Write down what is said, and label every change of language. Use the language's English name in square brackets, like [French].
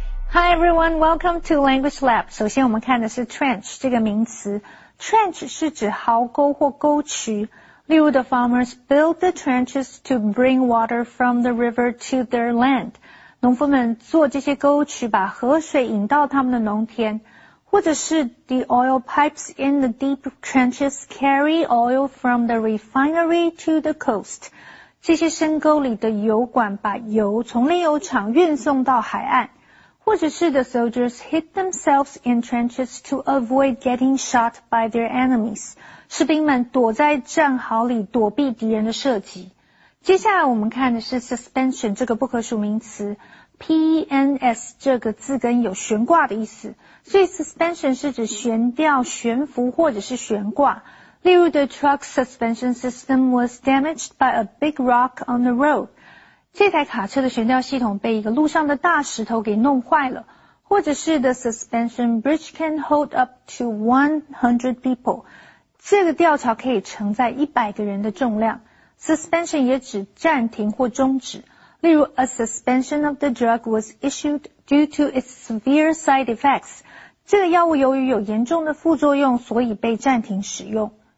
[English] Hi everyone, welcome to Language Lab. [Chinese] 首先我们看的是 trench 这个名词。 Trench 是指壕沟或沟渠。 [English] 例如 the farmers built the trenches to bring water from the river to their land. [Chinese] 农夫们做这些沟渠把河水引到他们的农田。或者是 [English] the oil pipes in the deep trenches carry oil from the refinery to the coast. [Chinese] 这些深沟里的油管把油从炼油厂运送到海岸。或者是 [English] the soldiers hid themselves in trenches to avoid getting shot by their enemies. [Chinese] 士兵们躲在战壕里躲避敌人的射击。接下来我们看的是 suspension 这个不可数名词。 PENS 这个字根有悬挂的意思。所以 suspension 是指悬吊、悬浮或者是悬挂。 [English] 例如 the truck's suspension system was damaged by a big rock on the road. [Chinese] 这台卡车的悬吊系统被一个路上的大石头给弄坏了。或者是 [English] the suspension bridge can hold up to 100 people. [Chinese] 这个吊桥可以承载100个人的重量。 [English] Suspension [Chinese] 也指暂停或终止。例如 [English] a suspension of the drug was issued due to its severe side effects. [Chinese] 这个药物由于有严重的副作用所以被暂停使用。